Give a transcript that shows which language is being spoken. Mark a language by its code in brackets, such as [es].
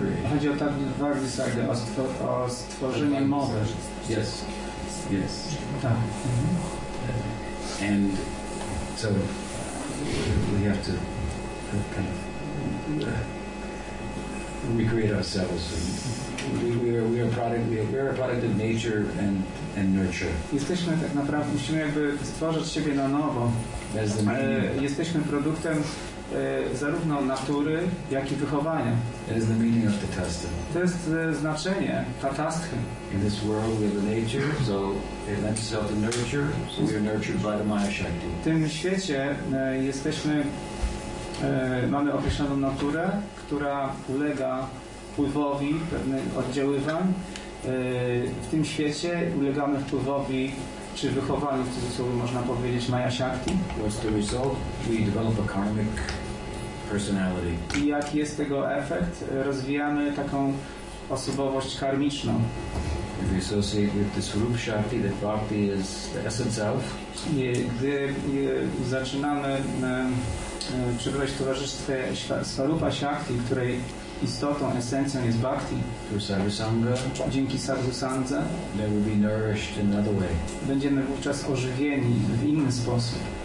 [pl] Chodzi o tak bardziej sagę, o stworzenie mowy. [en] Yes, yes. [pl] Tak. [en] And so we have to kind of recreate ourselves. And we are a product of nature and nurture. [pl] Jesteśmy tak naprawdę, musimy jakby stworzyć siebie na nowo. Jesteśmy produktem zarówno natury, jak i wychowania. [en] That is the meaning of tatastha. [pl] To jest znaczenie tatasthy. [en] In this world we have a nature, so it lends itself to nurture, so we are nurtured by the Maya Shakti. [pl] W tym świecie jesteśmy, mamy określoną naturę, która ulega wpływowi pewnych oddziaływań. W tym świecie ulegamy wpływowi czy wychowaniu, w cudzysłowie można powiedzieć, Maya Shakti. [en] What's the result? We develop a karmic personality. [pl] I jaki jest tego efekt? Rozwijamy taką osobowość karmiczną. [en] If we associate with this Rupa Shakti, that Bhakti is the essence of. [pl] Gdy zaczynamy przebywać w towarzystwie Swarupa Shakti, której istotą, esencją jest bhakti. [en] Through sadhu sangha, [pl] dzięki sadhu sandze, [en] they will be nourished in another way. [pl] Będziemy wówczas ożywieni w inny sposób.